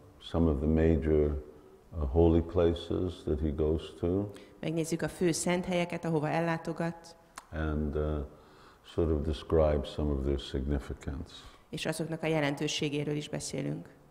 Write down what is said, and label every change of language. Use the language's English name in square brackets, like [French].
[English] Some of the major holy places that he goes to. [Hungarian] Megnézzük a fő szent helyeket, ahova ellátogat. [English] And sort of describe some of their significance. [Hungarian] És azoknak a jelentőségéről is beszélünk.